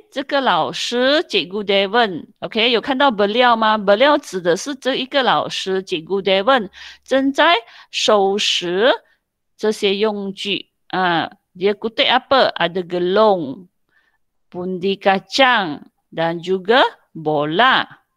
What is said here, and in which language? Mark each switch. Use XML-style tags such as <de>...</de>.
<zh>Okey, 有看到 beliau 吗? Beliau 指的是这一个老师, 这个老师, cikgu Devon 正在收拾 这些用具,</zh> <ms>dia kutip apa? Ada gelung, pundi kacang dan juga bola.</ms>